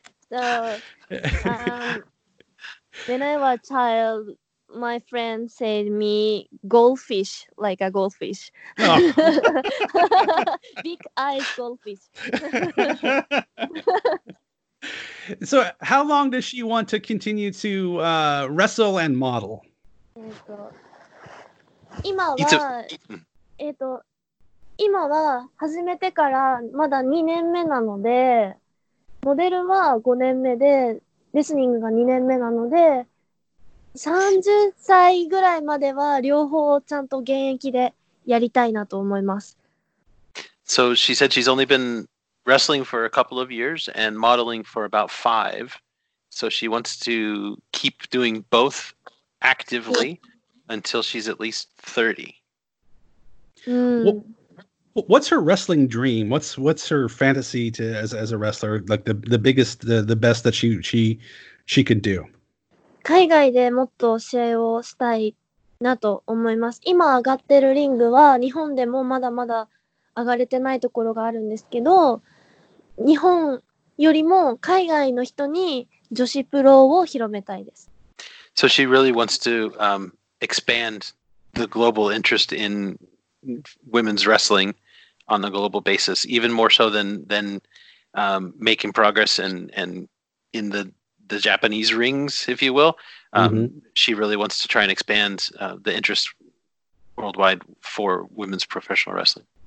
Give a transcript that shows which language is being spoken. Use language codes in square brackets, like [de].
[en] So, when I was a child, my friend said me goldfish, like a goldfish. Oh. Big eyes goldfish. So how long does she want to continue to wrestle and model? [ja] Now, 30歳ぐらいまでは両方ちゃんと現役でやりたいなと思います。 [en] So she said she's only been wrestling for a couple of years and modeling for about 5. So she wants to keep doing both actively until she's at least 30. What's her wrestling dream? What's her fantasy to as a wrestler? Like the biggest, the best that she could do? [ja] 海外でもっと試合をしたいなと思います。今上がってるリングは日本でもまだまだ上がれてないところがあるんですけど、日本よりも海外の人に女子プロを広めたいです。So [en] she really wants to expand the global interest in women's wrestling on a global basis, even more so than making progress and in the Japanese rings, if you will. She really wants to try and expand the interest worldwide for women's professional wrestling.